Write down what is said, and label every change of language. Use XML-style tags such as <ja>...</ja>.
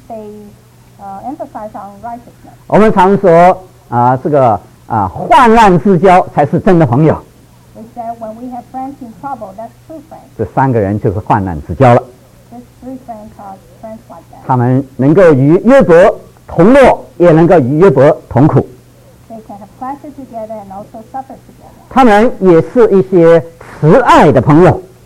<en>They emphasize on righteousness.</en> <zh>我们常说啊，这个啊，患难之交才是真的朋友。</zh> <en>They said when we have friends in trouble, that's true friends.</en> <zh>这三个人就是患难之交了。</zh> <en>These three friends are friends like that.</en> <zh>他们能够与约伯同乐，也能够与约伯同苦。</zh> <en>They can have pleasure together and also suffer together.</en> <zh>他们也是一些慈爱的朋友。</zh>